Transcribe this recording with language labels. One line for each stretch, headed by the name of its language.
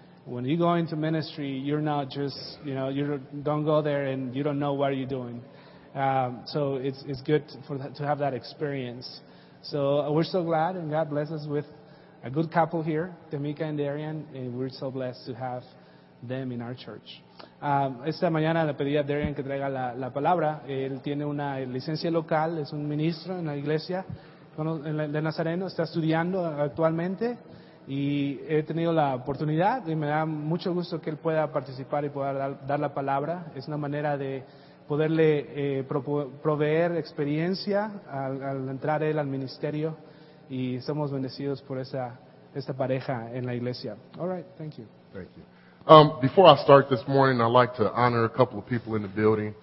English: When you go into ministry, you're not just, you know, you don't go there and you don't know what you're doing. So it's good to have that experience. So we're so glad, and God bless us with a good couple here, Tamika and Darian, and we're so blessed to have them in our church.
Spanish: Esta mañana le pedí a Darian que traiga la palabra. Él tiene una licencia local, es un ministro en la iglesia de Nazareno, está estudiando actualmente, y he tenido la oportunidad y me da mucho gusto que él pueda participar y pueda dar la palabra. Es una manera de poderle proveer experiencia al entrar él al ministerio, y somos bendecidos por esta pareja en la iglesia.
English: All right, thank you. Thank you. Before I start this morning, I'd like to honor a couple of people in the building.